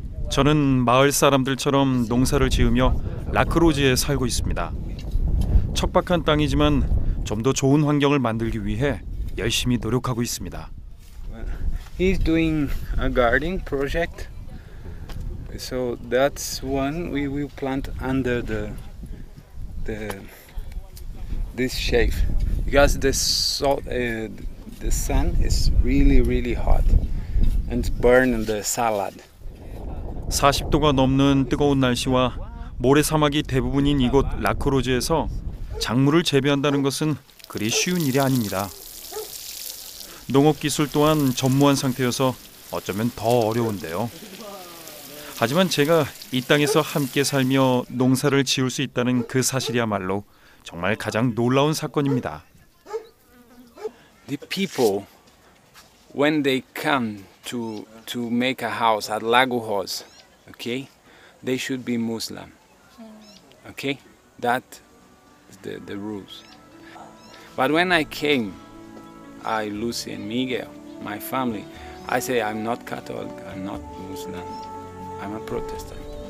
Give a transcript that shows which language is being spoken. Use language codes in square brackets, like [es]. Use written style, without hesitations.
[ko] 저는 마을 사람들처럼 농사를 지으며 라크로즈에 살고 있습니다. 척박한 땅이지만 좀 더 좋은 환경을 만들기 위해 열심히 노력하고 있습니다. [en] He's doing a garden project. So that's one we will plant under this shade. Because the sun is really really hot and burn the salad. [ko] 40도가 넘는 뜨거운 날씨와 모래사막이 대부분인 이곳 라크로즈에서 작물을 재배한다는 것은 그리 쉬운 일이 아닙니다. 농업기술 또한 전무한 상태여서 어쩌면 더 어려운데요. 하지만 제가 이 땅에서 함께 살며 농사를 지을 수 있다는 그 사실이야말로 정말 가장 놀라운 사건입니다. [en] The people, when they come to make a house at Lagohoz, okay, they should be Muslim. Okay, that is the rules. But when I came, I Lucy and Miguel, my family, I say I'm not Catholic, I'm not Muslim, I'm a Protestant.